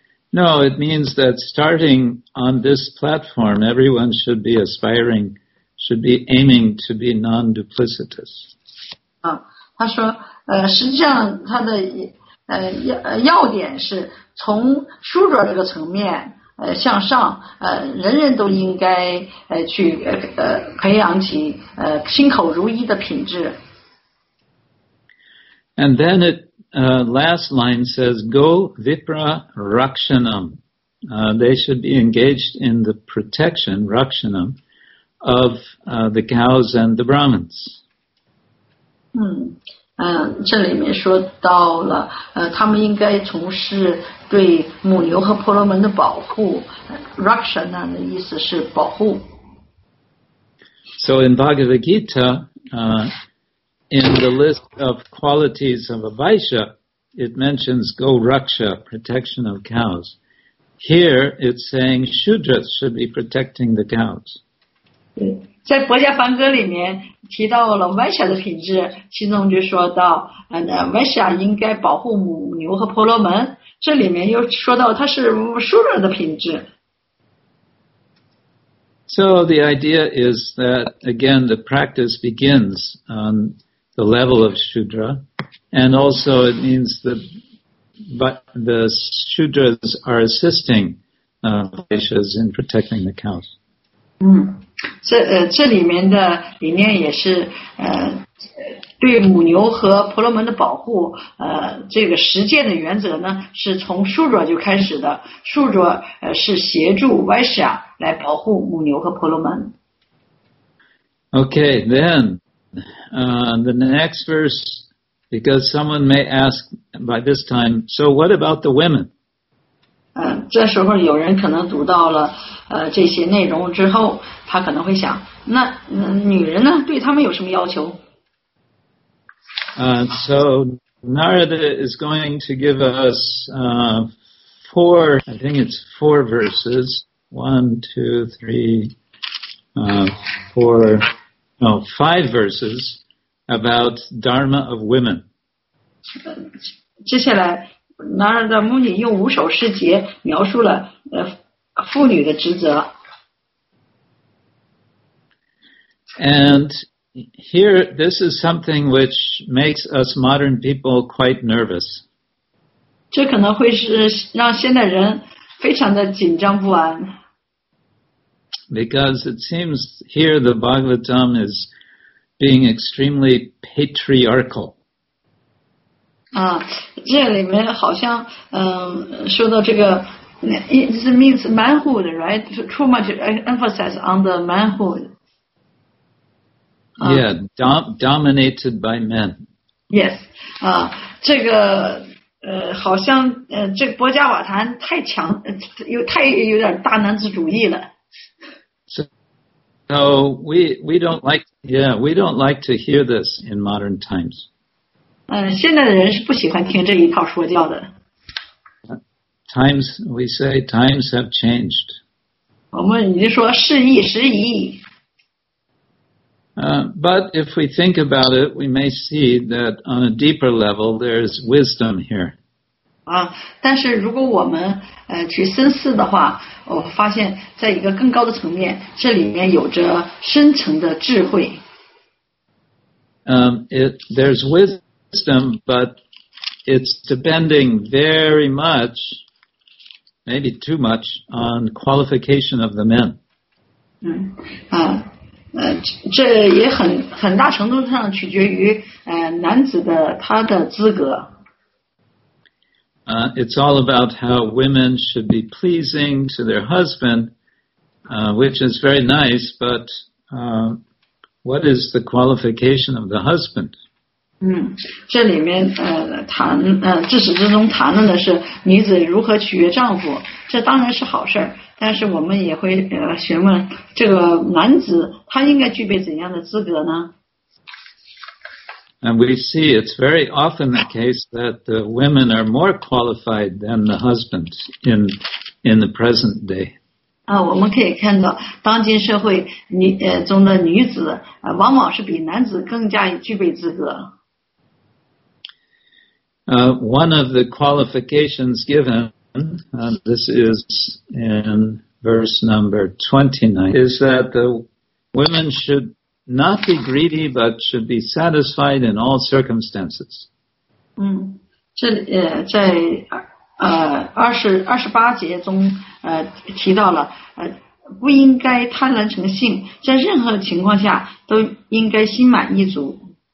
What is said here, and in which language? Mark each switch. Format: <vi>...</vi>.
<en>No, it means that starting on this platform, everyone should be aspiring, should be aiming to be non-duplicitous.</en> <zh>他说实际上他的要点是从树者这个层面向上，人人都应该去培养起心口如一的品质。</zh> <en>And then it last line says,</en> <sa>"Go vipra rakshanam."</sa> <en>They should be engaged in the protection rakshanam of the cows and the Brahmins.</en> <zh>这里面说到了他们应该从事对母牛和婆罗门的保护。 Rakshana 的意思是保护。</zh> <en>So in Bhagavad Gita, in the list of qualities of a Vaishya, it mentions go raksha, protection of cows. Here it's saying Shudras should be protecting the cows.</en> <zh>在佛家梵歌里面提到了 Vaishya 的品质，其中就说到 Vaishya 应该保护母牛和婆罗门，这里面又说到它是树者的品质。</zh> <en>So the idea is that again the practice begins on the level of Shudra, and also it means that the Shudras are assisting Vaishyas in protecting the cows.</en> <zh>这里面的理念也是对母牛和婆罗门的保护，这个实践的原则呢是从树者就开始的，树者是协助 Vaishya 来保护母牛和婆罗门。</zh> <en>Okay, then the next verse, because someone may ask by this time, so what about the women?</en> <zh>这时候有人可能读到了这些内容之后，他可能会想，那女人呢，对他们有什么要求？</zh> <en>So Narada is going to give us four, I think it's four verses, one, two, three, four, no, five verses about Dharma of women.</en> <zh>接下来 Narada Muni 用五首诗节描述了妇女的职责。</zh> <en>And here, this is something which makes us modern people quite nervous.</en> <zh>这可能会是让现代人非常的紧张不安。</zh> <en>Because it seems here the Bhagavatam is being extremely patriarchal.</en> <zh>这里面好像说到这个</zh> <en>It means manhood, right? Too much emphasis on the manhood. Yeah, dominated by men.</en> <zh>Yes, 这个好像这个波迦瓦坛太强，又太有点大男子主义了。</zh> <en>So we don't like, yeah, we don't like to hear this in modern times.</en> <zh>现在的人是不喜欢听这一套说教的。</zh> <en>Times, we say, times have changed.</en> <zh>我们已经说世易时移。</zh> <en>But if we think about it, we may see that on a deeper level, there is wisdom here.</en> <zh>但是如果我们去深思的话，我发现在一个更高的层面，这里面有着深层的智慧。</zh> <en>There's wisdom, but it's depending very much, maybe too much, on qualification of the men.</en> <zh>这也很大程度上取决于男子的他的资格。</zh> <en>It's all about how women should be pleasing to their husband, which is very nice, but what is the qualification of the husband?</en> <zh>这里面自始至终谈论的是女子如何取悦丈夫，这当然是好事，但是我们也会询问这个男子他应该具备怎样的资格呢？</zh> <en>And we see it's very often the case that the women are more qualified than the husbands in the present day.</en> <zh>我们可以看到当今社会中的女子往往是比男子更加具备资格。</zh> <en>One of the qualifications given, this is in verse number 29, is that the women should not be greedy, but should be satisfied in all circumstances.</en> <zh>28节中提到了不应该贪婪成性，在任何情况下都应该心满意足。</zh>